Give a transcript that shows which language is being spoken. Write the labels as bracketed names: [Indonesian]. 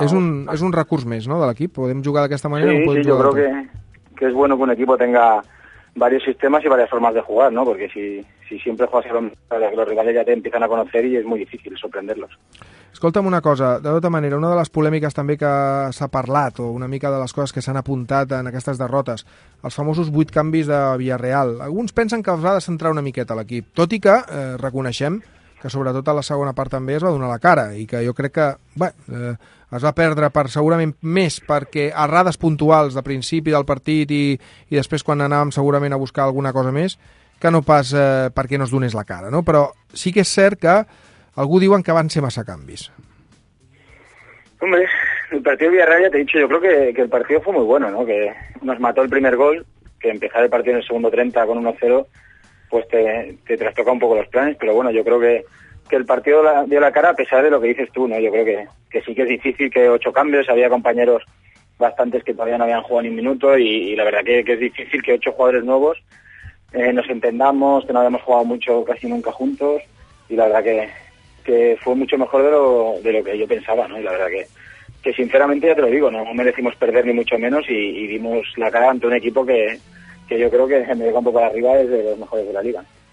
[Spanish] Es un recurso más, ¿no?, [Catalan] de l'equip. [Spanish] ¿Podemos jugar de esta manera? Sí, o sí, yo creo que es bueno que un equipo tenga varios sistemas y varias formas de jugar, ¿no?, porque si siempre juegas a los rivales ya te empiezan a conocer y es muy difícil sorprenderlos. [Catalan] Escolta'm una cosa, de tota manera, una de les polèmiques també que s'ha parlat, o una mica de les coses que s'han apuntat en aquestes derrotes, els famosos 8 canvis de Villarreal. Alguns pensen que els ha de centrar una miqueta l'equip, tot i que, reconeixem, que sobretot a la segona part també es va donar la cara i que jo crec que es va perdre per segurament més perquè errades puntuals de principi del partit i després quan anàvem segurament a buscar alguna cosa més, que no pas perquè no es donés la cara, no? Però sí que és cert que algú diuen que van ser massa canvis. [Spanish] Hombre, el partido Villarreal, te he dicho, yo creo que el partido fue muy bueno, ¿no? Que nos mató el primer gol, que empezar el partido en el segundo 30 con 1-0, pues te trastoca un poco los planes, pero bueno, yo creo que el partido dio la cara a pesar de lo que dices tú, ¿no? Yo creo que sí que es difícil, que 8 cambios, había compañeros bastantes que todavía no habían jugado ni un minuto y la verdad que es difícil que 8 jugadores nuevos nos entendamos, que no habíamos jugado mucho, casi nunca juntos, y la verdad que fue mucho mejor de lo que yo pensaba, ¿no? Y la verdad que sinceramente ya te lo digo, no merecimos perder ni mucho menos y dimos la cara ante un equipo que yo creo que en el campo para arriba es de los mejores de la liga.